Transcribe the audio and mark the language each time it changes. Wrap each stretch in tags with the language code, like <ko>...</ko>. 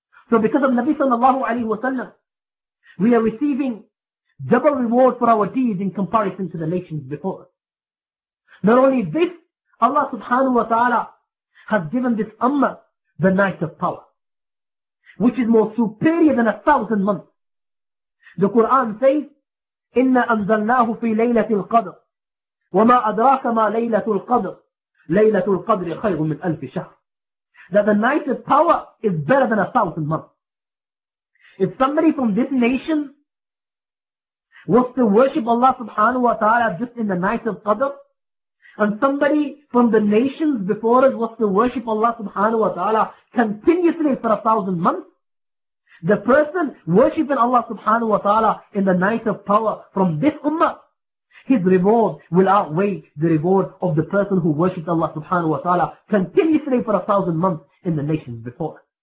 <en>So because of Nabi sallallahu alayhi wa sallam, we are receiving double reward for our deeds in comparison to the nations before us. Not only this, Allah subhanahu wa ta'ala has given this ummah the night of power, which is more superior than 1,000 months. The Quran says,</en> <ar>إِنَّا أَنزَلْنَاهُ فِي لَيْلَةِ الْقَدْرِ وَمَا أَدْرَاكَ مَا لَيْلَةُ الْقَدْرِ لَيْلَةُ الْقَدْرِ خَيْرٌ مِنْ أَلْفِ شَهْرٍ.</ar> <en>That the night of power is better than 1,000 months. If somebody from this nation was to worship Allah subhanahu wa ta'ala just in the night of Qadr, and somebody from the nations before us was to worship Allah subhanahu wa ta'ala continuously for 1,000 months, the person worshipping Allah subhanahu wa ta'ala in the night of power from this ummah, his reward will outweigh the reward of the person who worshipped Allah subhanahu wa ta'ala continuously for 1,000 months in the nations before.</en>